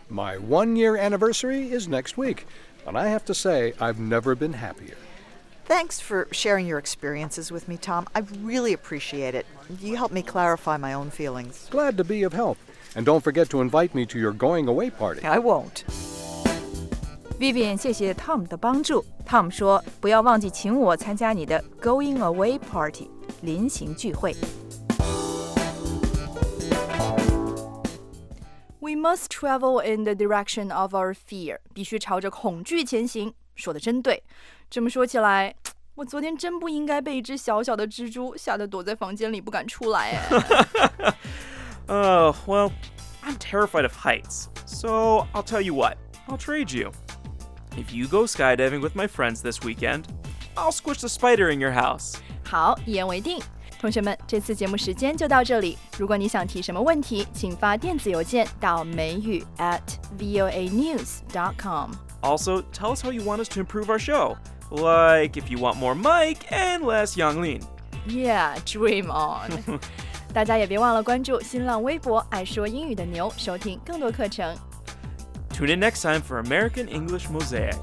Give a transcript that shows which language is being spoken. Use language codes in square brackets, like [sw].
[en] My one-year anniversary is next week, and I have to say I've never been happier. Thanks for sharing your experiences with me, Tom. I really appreciate it. You helped me clarify my own feelings. Glad to be of help. And don't forget to invite me to your going away party. I won't. [zh] Vivian, 谢谢 Tom 的帮助。Tom 说，不要忘记请我参加你的 [en] going away party, [zh] 临行聚会。 [en] We must travel in the direction of our fear. [zh] 必须朝着恐惧前行。说得真对。这么说起来，我昨天真不应该被一只小小的蜘蛛吓得躲在房间里不敢出来哎。 [en] well, I'm terrified of heights. So I'll tell you what, I'll trade you. If you go skydiving with my friends this weekend, I'll squish the spider in your house. [zh] 好，一言为定。同学们，这次节目时间就到这里。如果你想提什么问题，请发电子邮件到美语@voanews.com. [en] Also, tell us how you want us to improve our show. Like if you want more Mike and less Yang Lin. Yeah, dream on. [zh] 大家也别忘了关注新浪微博爱说英语的牛，收听更多课程。 [en] Tune in next time for American English Mosaic.